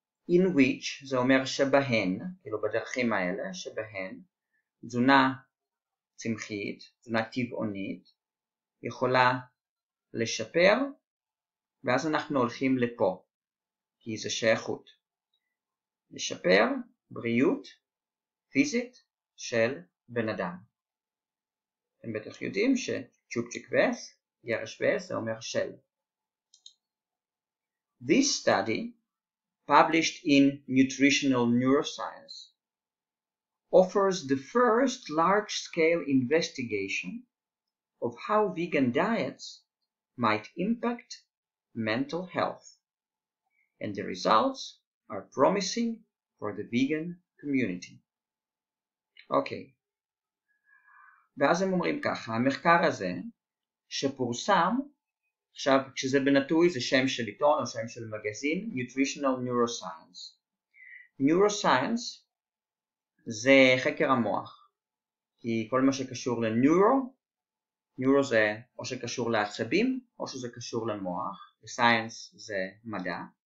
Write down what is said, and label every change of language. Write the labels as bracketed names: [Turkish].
[English] in which [Hebrew] זה אומר שבהן, כאילו בדרכים האלה, שבהן תזונה צמחית, תזונה טבעונית, יכולה לשפר, ואז אנחנו הולכים לפה, כי זה שייכות. לשפר בריאות פיזית של בן אדם. אתם בטח יודעים שצ'ופצ'יק וס, ירש וס, זה אומר של. [English] This study, published in Nutritional Neuroscience, offers the first large-scale investigation of how vegan diets might impact mental health, and the results are promising for the vegan community. Okay. [Hebrew] ואז הם אומרים ככה, המחקר הזה שפורסם, עכשיו כשזה בנטוי זה שם של עיתון או שם של מגזין, Nutritional Neuroscience. Neuroscience זה חקר המוח, כי כל מה שקשור לניורו, ניורו זה או שקשור לעצבים או שזה קשור למוח, וscience זה מדע.